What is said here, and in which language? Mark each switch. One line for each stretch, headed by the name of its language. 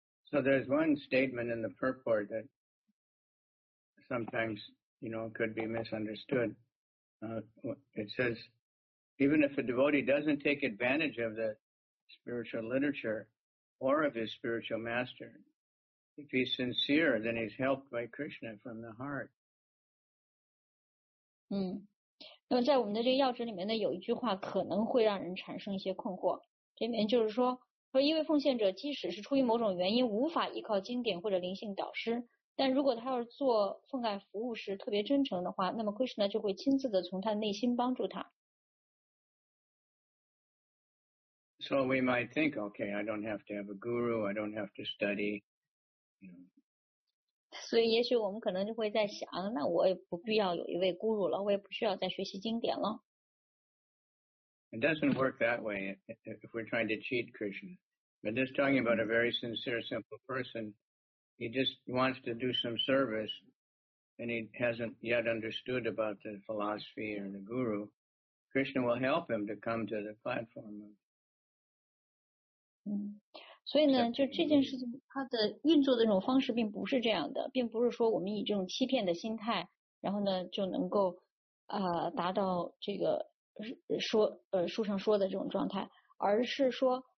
English: So there's one statement in the purport that. Sometimes, you know, it could be misunderstood. It says, even if a devotee doesn't take advantage of the spiritual literature or of his spiritual master, if he's sincere, then he's helped by Krishna from the heart.
Chinese: 那么在我们的这个要旨里面呢，有一句话可能会让人产生一些困惑。这里面就是说，说一位奉献者即使是出于某种原因无法依靠经典或者灵性导师，但如果他要是做奉献服务时特别真诚的话，那么 Krishna 就会亲自的从他内心帮助他。
English: So we might think, okay, I don't have to have a guru, I don't have to study. You know.
Chinese: 所以也许我们可能就会在想，那我也不必要有一位 guru 了，我也不需要再学习经典了。
English: It doesn't work that way if we're trying to cheat Krishna. But just talking about a very sincere, simple person. He just wants to do some service, and he hasn't yet understood about the philosophy or the guru. Krishna will help him to come to the platform.
Chinese: 所以呢，就这件事情，它的运作的这种方式并不是这样的，并不是说我们以这种欺骗的心态，然后呢就能够达到这个书上说的这种状态，而是说